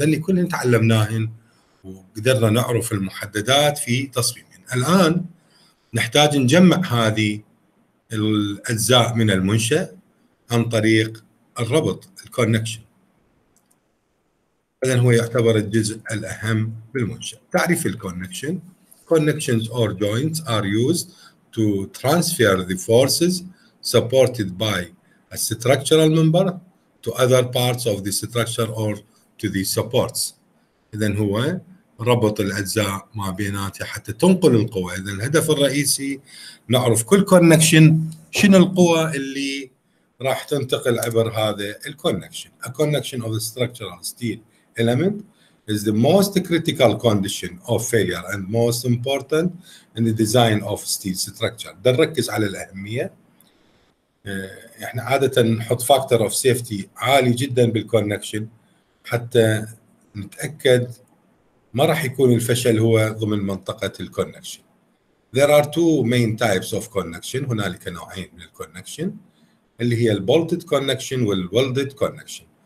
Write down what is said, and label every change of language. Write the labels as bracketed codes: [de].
[ar] ذني كلهن تعلمناهن وقدرنا نعرف المحددات في تصميمهن. الان نحتاج نجمع هذه الاجزاء من المنشأ عن طريق الربط الكونكشن. اذا هو يعتبر الجزء الاهم بالمنشأ. تعريف الكونكشن: [en] connections or joints are used to transfer the forces supported by a structural member to other parts of the structure or to the supports. [ar] إذن هو ربط الأجزاء ما بيناتها حتى تنقل القوة. إذن الهدف الرئيسي نعرف كل connection شنو القوة اللي راح تنتقل عبر هذا الconnection. [en] A connection of the structural steel element is the most critical condition of failure and most important in the design of steel structure. [ar] ده نركز على الأهمية. إحنا عادة نحط [en] factor of safety [ar] عالي جدا بالconnection حتى نتأكد ما راح يكون الفشل هو ضمن منطقة الconnection. [en] There are two main types of connection. [ar] هنالك نوعين من الconnection اللي هي البولتد connection والولدد connection.